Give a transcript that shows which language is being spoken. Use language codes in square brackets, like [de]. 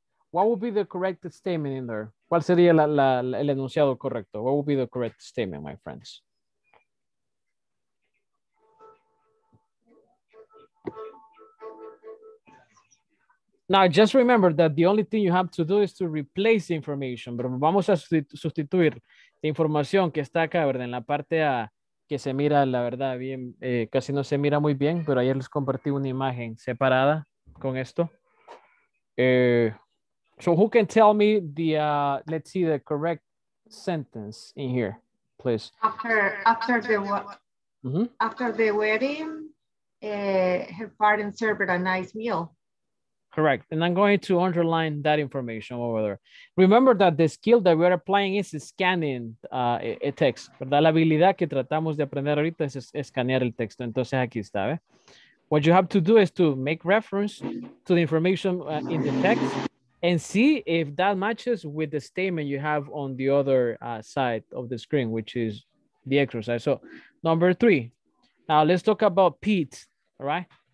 [en] What would be the correct statement in there? [es] ¿Cuál sería el enunciado correcto? [en] What would be the correct statement, my friends? Now, just remember that the only thing you have to do is to replace information. [es] Pero vamos a sustituir información que está acá, ¿verdad? En la parte A, que se mira, la verdad, bien, casi no se mira muy bien, pero ayer les compartí una imagen separada con esto. [en] So who can tell me the, let's see the correct sentence in here, please. After the wedding, her parents served a nice meal. Correct. And I'm going to underline that information over there. Remember that the skill that we're applying is scanning a text. [es] ¿Verdad? La habilidad que tratamos de aprender ahorita es escanear el texto. Entonces aquí está. ¿Eh? [en] What you have to do is to make reference to the information in the text and see if that matches with the statement you have on the other side of the screen, which is the exercise. So number three. Now let's talk about Pete. All right.